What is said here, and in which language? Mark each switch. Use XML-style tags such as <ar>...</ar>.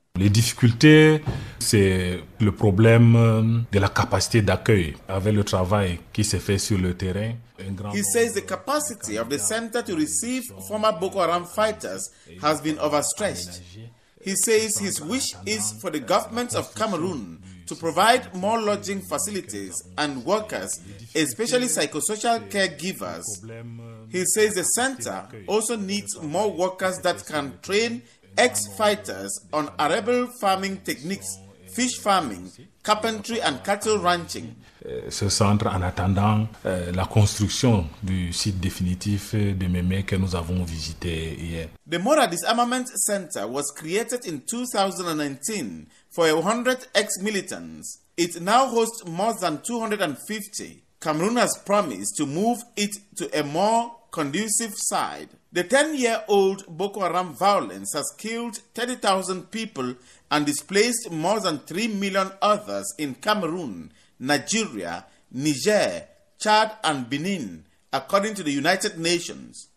<fr>Les difficultés, c'est le problème de la capacité d'accueil avec le travail qui s'est fait sur le terrain.</fr> <en>He says the capacity of the center to receive former Boko Haram fighters has been overstretched. He says his wish is for the government of Cameroon to provide more lodging facilities and workers, especially psychosocial caregivers. He says the center also needs more workers that can train ex-fighters on arable farming techniques, fish farming, carpentry and cattle ranching.</en> <fr>Ce centre en attendant la construction du site définitif de Mémé que nous avons visité hier.</fr> <en>The Mora Disarmament Center was created in 2019 for 100 ex-militants. It now hosts more than 250. Cameroon has promised to move it to a more conducive side. The 10-year-old Boko Haram violence has killed 30,000 people and displaced more than 3 million others in Cameroon, Nigeria, Niger, Chad, and Benin, according to the United Nations.</en>